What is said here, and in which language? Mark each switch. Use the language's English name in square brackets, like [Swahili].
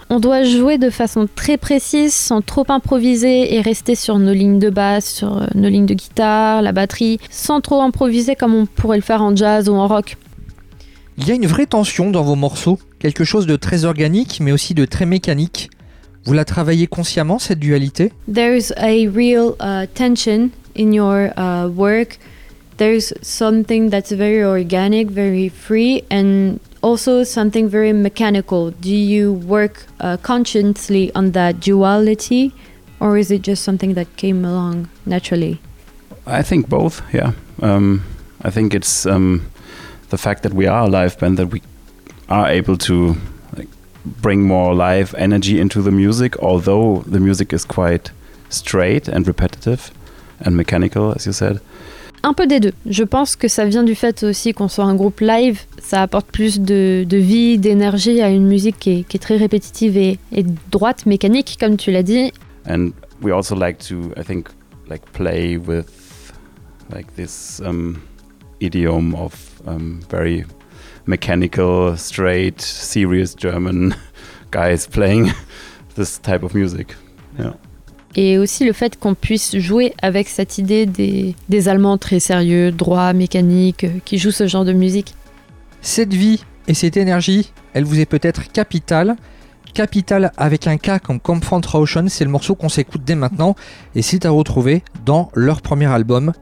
[French] On doit jouer de façon très précise, sans trop improviser et rester sur nos lignes de basse, sur nos lignes de guitare, la batterie, sans trop improviser comme on pourrait le faire en jazz ou en rock. Il y a une vraie tension dans vos morceaux, quelque chose de très organique mais aussi de très mécanique. Vous la travaillez consciemment, cette dualité? [English] There is a real tension in your work. There's something that's very organic, very free, and also something very mechanical. Do you work consciously on that duality, or is it just something that came along naturally? I think both, yeah. I think it's the fact that we are a live band, that we are able to like, bring more live energy into the music, although the music is quite straight and repetitive and mechanical, as you said. [French] Un peu des deux. Je pense que ça vient du fait aussi qu'on soit un groupe live. Ça apporte plus de vie, d'énergie à une musique qui est très répétitive et droite, mécanique, comme tu l'as dit. [English] And we also like to, I think, like play with like this idiom of very mechanical, straight, serious German guys playing this type of music. Yeah. [French] Et aussi le fait qu'on puisse jouer avec cette idée des Allemands très sérieux, droits, mécaniques, qui jouent ce genre de musique. Cette vie et cette énergie, elle vous est peut-être capitale. Capital avec un K comme Kampfrauschen, c'est le morceau qu'on s'écoute dès maintenant et c'est à retrouver dans leur premier album.